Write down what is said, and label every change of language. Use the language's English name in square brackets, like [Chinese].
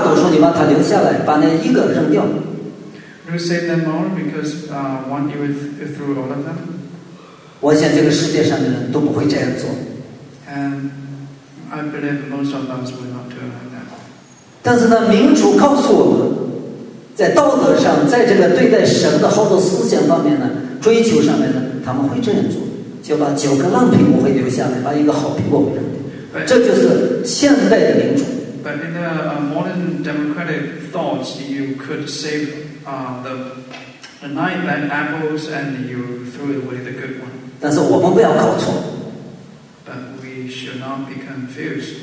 [Chinese] 你会做什么？你是不是因为那九个是大多数，你把它留下来，把那一个扔掉 [English] ？You say them more because one you threw all of them. [Chinese] 我想这个世界上的人都不会这样做。 [English] And I believe most of us will not do like that. [Chinese] 但是呢，民主告诉我们，在道德上，在这个对待神的好多思想方面呢，追求上面呢，他们会这样做。就把9个烂苹果会留下来，把1个好苹果扔掉，这就是现代的民主。 [English] But in the modern democratic thoughts, you could save the 9 bad apples and you threw away the good one. [Chinese] 但是我们不要搞错。 [English] But we should not be confused.